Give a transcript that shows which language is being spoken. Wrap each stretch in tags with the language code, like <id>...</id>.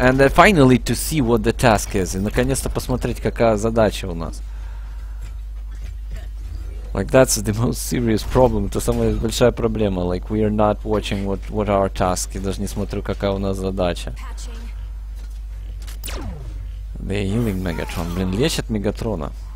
<en>And finally to see what the task is.</en> <ru>И наконец-то посмотреть, какая задача у нас.</ru> <en>Like, that's the most serious problem.</en> <ru>Это самая большая проблема.</ru> <en>Like, we are not watching what our task.</en> <ru>Я даже не смотрю, какая у нас задача.</ru> <en>They are healing Megatron.</en> <ru>Блин, лечат Мегатрона.</ru>